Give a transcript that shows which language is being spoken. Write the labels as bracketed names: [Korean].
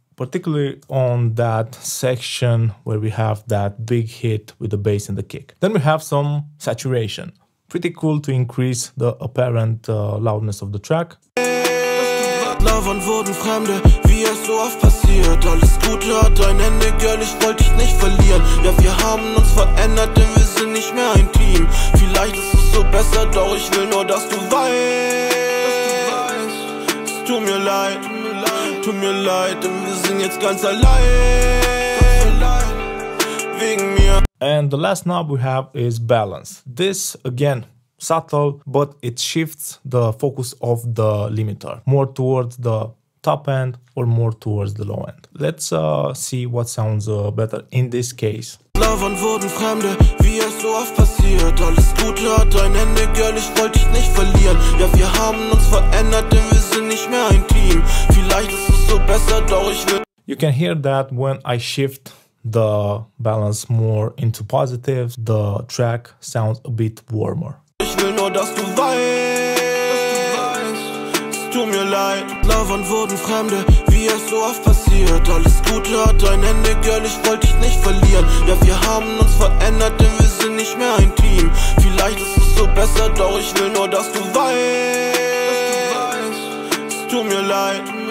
[English] Particularly on that section where we have that big hit with the bass and the kick. Then we have some saturation. Pretty cool to increase the apparent loudness of the track. [German] Lovern wurden Fremde, wie es so oft passiert. Alles Gute hat ein Ende, Girl, ich wollte dich nicht verlieren. Ja, wir haben uns verändert, denn wir sind nicht mehr ein Team. Vielleicht ist es so besser, doch ich will nur, dass du weißt. Es tut mir leid. Tut mir leid, denn wir sind jetzt ganz allein. Wegen mir. [English] And the last knob we have is balance. This, again, subtle, but it shifts the focus of the limiter more towards the top end or more towards the low end. Let's see what sounds better in this case. [German] Lovern wurden Fremde, wie es so oft passiert. Alles Gute hat ein Ende, Girl, ich wollte dich nicht verlieren. Ja, wir haben uns verändert, denn wir sind nicht mehr ein Team. Vielleicht ist es so besser, doch ich will. [English] You can hear that when I shift the balance more into positives, the track sounds a bit warmer. [German] Ich will nur, dass du weißt. Es tut mir leid. Lovern wurden Fremde, wie es so oft passiert. Alles Gute hat ein Ende, Girl, ich wollte dich nicht verlieren. Ja, wir haben uns verändert, denn wir sind nicht mehr ein Team. Vielleicht ist es so besser, doch ich will nur, dass du weißt. Es tut mir leid.